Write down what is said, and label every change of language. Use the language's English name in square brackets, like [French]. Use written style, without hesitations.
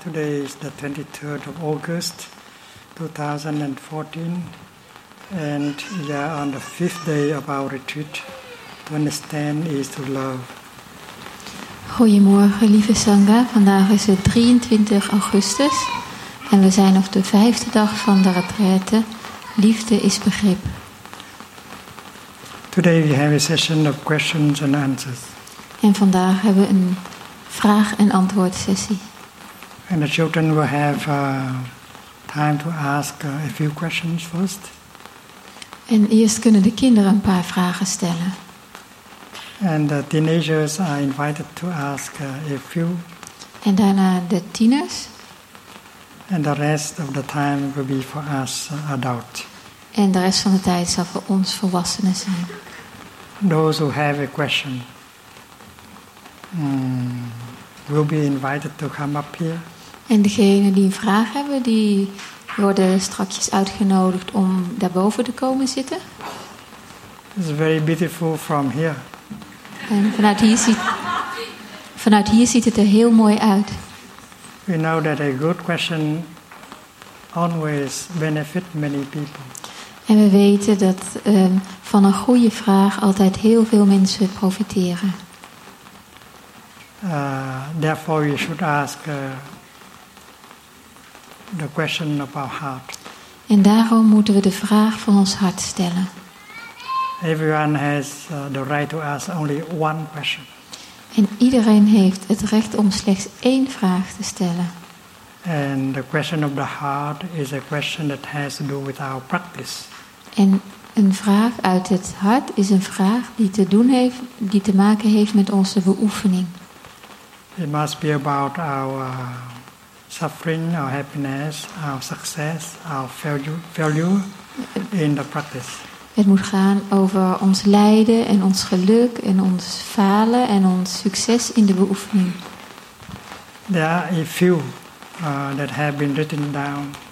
[English] Today is the 23rd of August 2014, and we are on the fifth day of our retreat. To understand is to love. [Dutch] Goedemorgen, lieve Sangha. Vandaag is het 23 augustus en we zijn op de vijfde dag van de retraite. Liefde is begrip. [English] Today we have a session of questions and answers. [Dutch] En vandaag hebben we een vraag en antwoord sessie. [English] And the children will have time to ask a few questions first. [Dutch] En eerst kunnen de kinderen een paar vragen stellen. [English] And the teenagers are invited to ask a few. [Dutch] En daarna de tieners. [English] And the rest of the time will be for us adults. [Dutch] En de rest van de tijd zal voor ons volwassenen zijn. [English] Those who have a question will be invited to come up here. [Dutch] En degenen die een vraag hebben, die worden strakjes uitgenodigd om daarboven te komen zitten. [English] It's very beautiful from here. [Dutch] En vanuit hier ziet het er heel mooi uit. [English] We know that a good question always benefits many people. [Dutch] En we weten dat van een goede vraag altijd heel veel mensen profiteren. [English] Therefore we should ask the question of our heart. [Dutch] En daarom moeten we de vraag van ons hart stellen. [English] Everyone has the right to ask only one question. [Dutch] En iedereen heeft het recht om slechts één vraag te stellen. [English] And the question of the heart is a question that has to do with our practice. [Dutch] En een vraag uit het hart is een vraag die te doen heeft, die te maken heeft met onze beoefening. [English] It must be about our suffering, our happiness, our success, our failure in the practice. [Dutch] Het moet gaan over ons lijden en ons geluk en ons falen en ons succes in de beoefening. [English] There are a few that have been written down.